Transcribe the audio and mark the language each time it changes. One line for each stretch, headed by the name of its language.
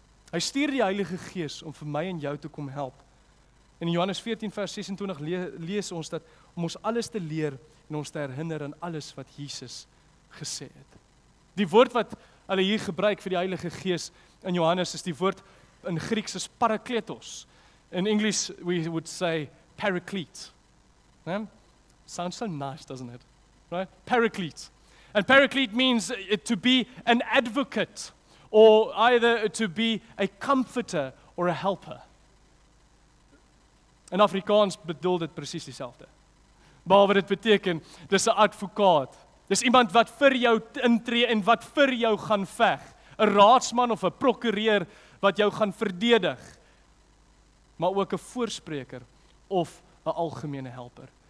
Afrikaans: Hy stuur die Heilige Gees om vir my en jou te kom help. In Johannes 14 vers 26 lees ons dat om ons alles te leer en ons te herinner aan alles wat Jesus gesê het. Die woord wat hulle hier gebruik vir die Heilige Gees in Johannes is die woord in Grieks is parakletos. In Engels
English: we would say paraclete. Yeah? Sounds so nice, doesn't it? Right? Paraclete. And paraclete means to be an advocate or either to be a comforter or a helper.
Afrikaans: In Afrikaans bedoel dit presies dieselfde. Behalwe dit beteken, dis 'n advokaat. Dis iemand wat vir jou intree en wat vir jou gaan veg. 'N raadsman of 'n prokureur wat jou gaan verdedig. Maar ook 'n voorspreker of 'n algemene helper.